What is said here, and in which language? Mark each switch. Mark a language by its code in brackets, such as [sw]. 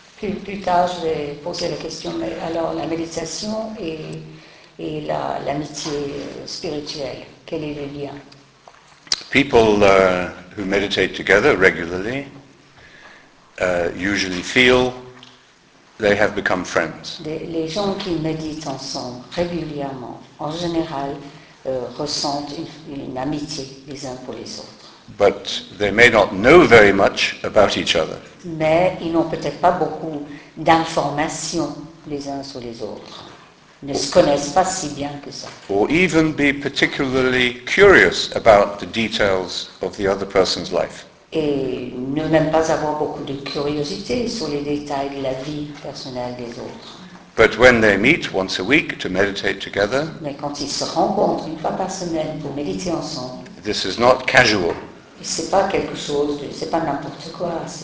[fr] Plus tard, je vais poser la question, mais alors la méditation et l'amitié spirituelle, quel est le lien? [en] People who meditate together regularly usually feel they have become friends. [fr] Les gens qui méditent ensemble régulièrement, en général, ressentent une amitié les uns pour les autres. [en] But they may not know very much about each other. [fr] Mais ils n'ont peut-être pas beaucoup d'informations les uns sur les autres. ne se connaissent pas si bien que ça. [en] Or even be particularly curious about the details of the other person's life. [fr] Et ne même pas avoir beaucoup de curiosité sur les détails de la vie personnelle des autres. [en] But when they meet once a week to meditate together, [fr] mais quand ils se rencontrent une fois par semaine pour méditer ensemble, [en] this is not casual. [fr] C'est pas quelque chose de, c'est pas n'importe quoi,